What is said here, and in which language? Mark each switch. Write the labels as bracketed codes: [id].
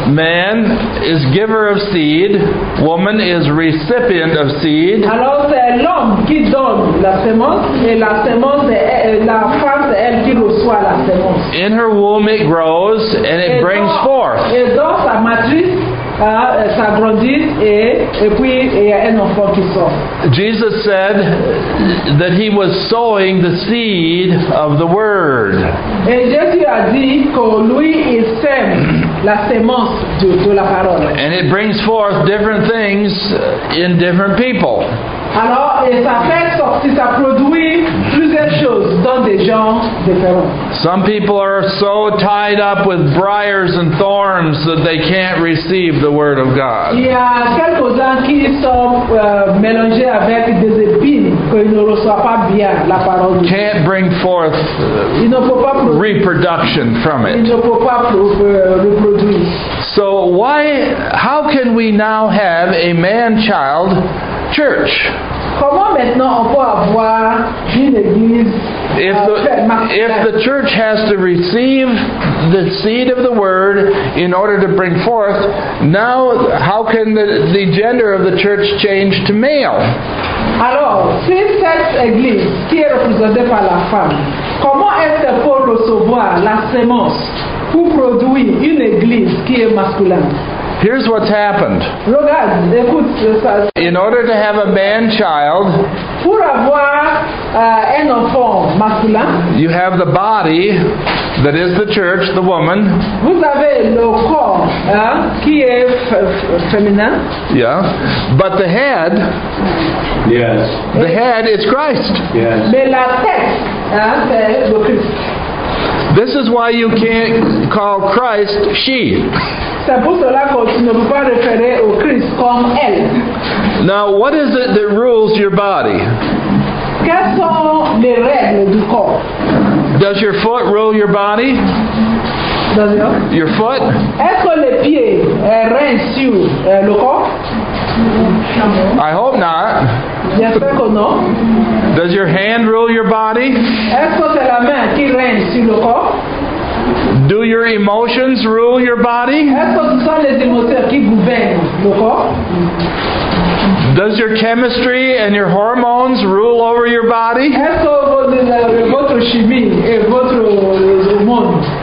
[en] Man is giver of seed, woman is recipient of seed. [fr] Alors c'est l'homme qui donne la semence et la semence la femme c'est elle qui reçoit la semence. [en] In her womb it grows and it brings forth. [fr] Et dans sa matrice ça grandit et puis il y a un enfant qui sort. [en] Jesus said that he was sowing the seed of the word. [fr] Et Jésus a dit que lui il sème la semence de la parole. [en] And it brings forth different things in different people. [fr] Alors et ça fait sortir, ça produit plusieurs choses dans des gens différents. [en] Some people are so tied up with briars and thorns that they can't receive the word of God. [fr] Il y a quelques-uns qui sont mélangés avec des épines qu'ils ne reçoivent pas bien la parole de Dieu. [en] Can't bring forth reproduction from it. [fr] Ils ne peuvent pas reproduire. [en] So why, how can we now have a man child church? [fr] Comment maintenant on peut avoir une église? [en] If the church has to receive the seed of the word in order to bring forth, now how can the gender of the church change to male? [fr] Alors, si cette église qui est représentée par la femme, comment est-ce qu'elle peut recevoir la semence pour produire une église qui est masculine? [en] Here's what's happened. [fr] Regarde, écoute, [en] in order to have a man child, [fr] pour avoir, un enfant masculin, [en] you have the body that is the church, the woman. [fr] Vous avez le corps, qui est féminin. [en] Yeah. But the head, yes. The head is Christ. Yes. [fr] Mais la tête, c'est le Christ. [en] This is why you can't call Christ she. [fr] C'est pour cela que ne peux pas référer au Christ comme elle. [en] Now, what is it that rules your body? [fr] Quelles sont les règles du corps? [en] Does your foot rule your body? [fr] D'accord. [en] Your foot? [fr] Est-ce que les pieds règnent sur le corps? [en] I hope not. [fr] J'espère que non. [en] Does your hand rule your body? [fr] Est-ce que c'est la main qui règne sur le corps? [en] Do your emotions rule your body? [fr] Est-ce que ce sont les émotions qui gouvernent le corps? [en] Does your chemistry and your hormones rule over your body? [fr] Est-ce que votre chimie et votre hormone?